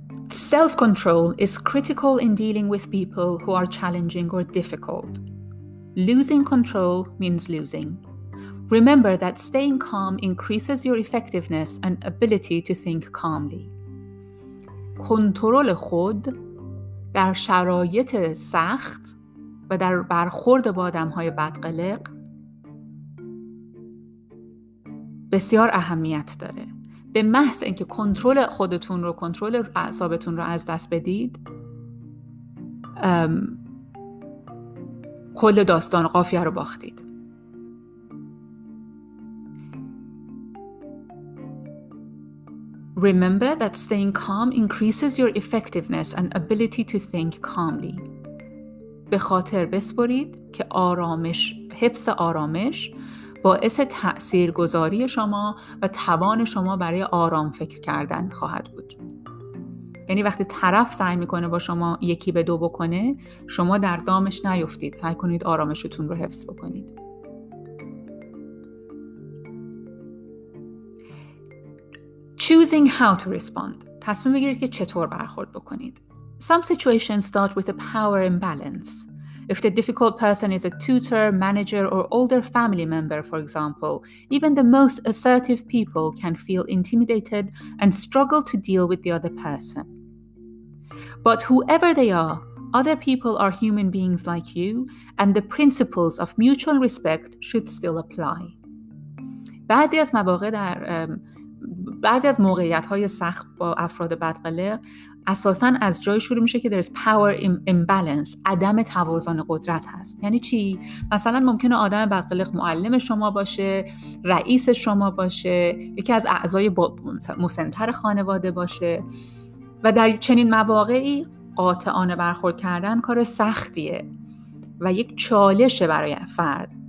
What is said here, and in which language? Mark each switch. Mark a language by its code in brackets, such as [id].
[en] Self-control is critical in dealing with people who are challenging or difficult. Losing control means losing. Remember that staying calm increases your effectiveness and ability to think calmly. [fa] کنترل خود در شرایط سخت و در برخورد با آدم‌های بدقلق بسیار اهمیت داره. به محض اینکه کنترل خودتون رو، کنترل اعصابتون رو از دست بدید، کل داستان قافیه رو باختید. [en] Remember that staying calm increases your effectiveness and ability to think calmly. [fa] به خاطر بسپرید که آرامش، حفظ آرامش باعث تأثیرگذاری شما و توان شما برای آرام فکر کردن خواهد بود. یعنی وقتی طرف سعی میکنه با شما یکی به دو بکنه، شما در دامش نیفتید، سعی کنید آرامشتون رو حفظ بکنید. [en] Choosing how to respond. [fa] تصمیم بگیرید که چطور برخورد بکنید. [en] Some situations start with a power imbalance. If the difficult person is a tutor, manager, or older family member, for example, even the most assertive people can feel intimidated and struggle to deal with the other person. But whoever they are, other people are human beings like you, and the principles of mutual respect should still apply. [fa] بعضی از مواقع در بعضی از موقعیت‌های سخت با افراد بدقلق اساساً از جای شروع میشه که [en] there's power imbalance، [fa] عدم توازن قدرت هست. یعنی چی؟ مثلا ممکنه آدم بدقلق معلم شما باشه، رئیس شما باشه، یکی از اعضای مسن‌تر خانواده باشه و در چنین مواقعی قاطعانه برخورد کردن کار سختیه و یک چالشه برای فرد.